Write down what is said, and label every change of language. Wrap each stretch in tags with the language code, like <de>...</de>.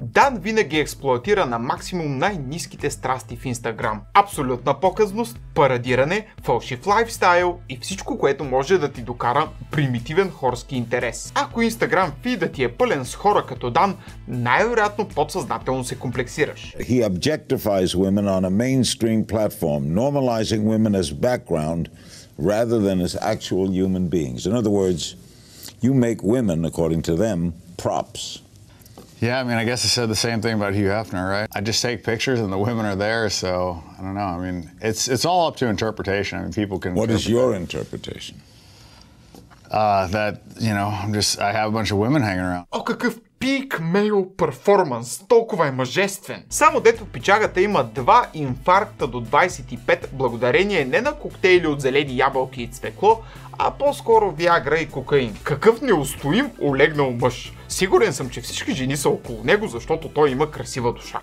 <bg>Дан винаги експлоатира на максимум най-низките страсти в Инстаграм. Абсолютна показност, парадиране, фалшив лайфстайл и всичко, което може да ти докара примитивен хорски интерес. Ако Инстаграм фида ти е пълен с хора като Дан, най-вероятно подсъзнателно се комплексираш.</bg> <en>He objectifies women on a mainstream platform, normalizing women as background rather than as actual human beings. In other words, you make women according to them props. Yeah, I mean, I guess I said the same thing about Hugh Hefner, right? I just take pictures and the women are there, so I don't know. I mean, it's all up to interpretation. I mean, people can. What is your interpretation? That, you know, I have a bunch of women hanging around.</en> <bg>Oh, какъв</bg> <en>peak male performance,</en> <bg>толкова е мъжествен. Само дето пичагата има два инфаркта до 25, благодарение не на коктейли от зелени ябълки и цвекло, а по-скоро виагра и кокаин. Какъв неустоим олегнал мъж. Сигурен съм, че всички жени са около него, защото той има красива душа.</bg>